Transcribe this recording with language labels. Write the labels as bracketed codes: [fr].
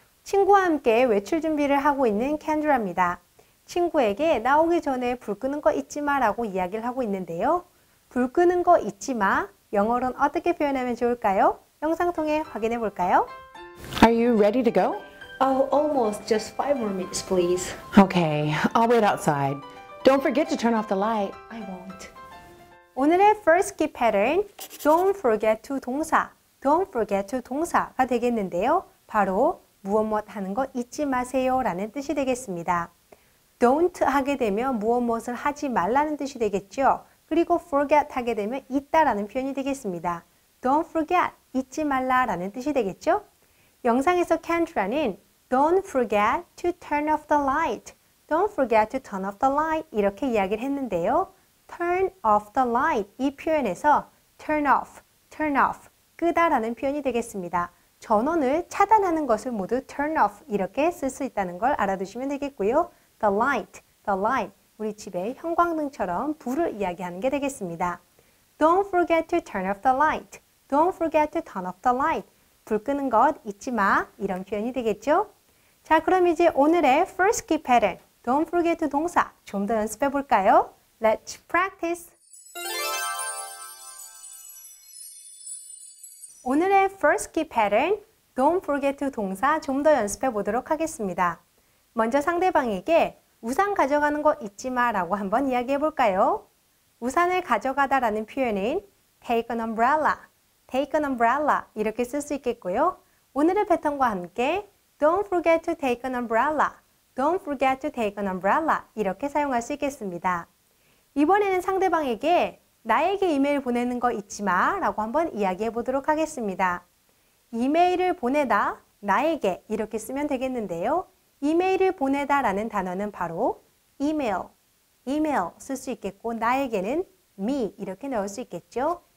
[ko] 친구와 함께 외출 준비를 하고 있는 켄드라입니다. 친구에게 나오기 전에 불 끄는 거 잊지 마라고 이야기를 하고 있는데요. 불 끄는 거 잊지 마. 영어로는 어떻게 표현하면 좋을까요? 영상 통해 확인해 볼까요? [en] Are you ready to go? Oh, almost. Just 5 more minutes, please. Okay, I'll wait outside. Don't forget to turn off the light. I won't. [ko] 오늘의 [en] first key pattern, don't forget to 동사. Don't forget to [ko] 동사가 되겠는데요. 바로 무엇무엇 하는 거 잊지 마세요 라는 뜻이 되겠습니다. Don't 하게 되면 무엇무엇을 하지 말라는 뜻이 되겠죠. 그리고 forget 하게 되면 잊다 라는 표현이 되겠습니다. [en] Don't forget, [ko] 잊지 말라 라는 뜻이 되겠죠. 영상에서 [en] Kendra는 Don't forget to turn off the light. Don't forget to turn off the light [ko] 이렇게 이야기를 했는데요. [en] Turn off the light [ko] 이 표현에서 turn off, 끄다 라는 표현이 되겠습니다. 전원을 차단하는 것을 모두 turn off 이렇게 쓸 수 있다는 걸 알아두시면 되겠고요. the light, 우리 집의 형광등처럼 불을 이야기하는 게 되겠습니다. [en] Don't forget to turn off the light. Don't forget to turn off the light. [ko] 불 끄는 것 잊지 마. 이런 표현이 되겠죠? 자, 그럼 이제 오늘의 [en] first key pattern, don't forget to [ko] 동사 좀 더 연습해 볼까요? [en] Let's practice! [ko] 오늘의 [en] first key pattern, don't forget to [ko] 동사 좀 더 연습해 보도록 하겠습니다. 먼저 상대방에게 우산 가져가는 거 잊지 마라고 한번 이야기해 볼까요? 우산을 가져가다 라는 표현인 [en] take an umbrella, take an umbrella [ko] 이렇게 쓸 수 있겠고요. 오늘의 패턴과 함께 [en] don't forget to take an umbrella, don't forget to take an umbrella [ko] 이렇게 사용할 수 있겠습니다. 이번에는 상대방에게 나에게 이메일 보내는 거 잊지 마라고 한번 이야기해 보도록 하겠습니다. 이메일을 보내다, 나에게 이렇게 쓰면 되겠는데요. 이메일을 보내다 라는 단어는 바로 email, email 쓸 수 있겠고 나에게는 me 이렇게 넣을 수 있겠죠.